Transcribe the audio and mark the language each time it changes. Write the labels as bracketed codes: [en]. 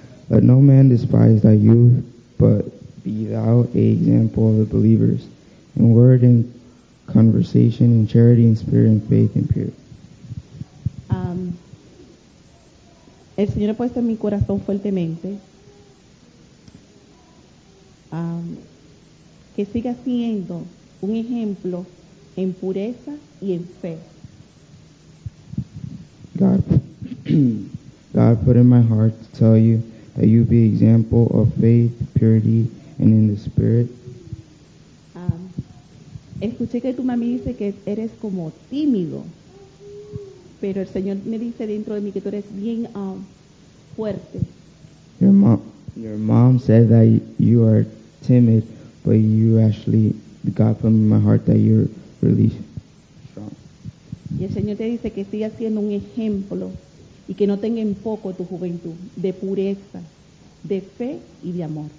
[en] Let no man despise thy youth, but be thou an example of the believers in word and conversation and charity and spirit and faith and purity. [es] El Señor ha puesto en mi corazón fuertemente que siga siendo un ejemplo en pureza y en fe. [en] God put in my heart to tell you that you be an example of faith, purity, and in the spirit. [es] Escuché que tu mami dice que eres como tímido, pero el Señor me dice dentro de mí que tú eres bien fuerte. [en] Your mom said that you are timid, but you actually, God put in my heart that you're really strong. [es] Y el Señor te dice que sigas siendo un ejemplo y que no tenga en poco tu juventud de pureza, de fe y de amor.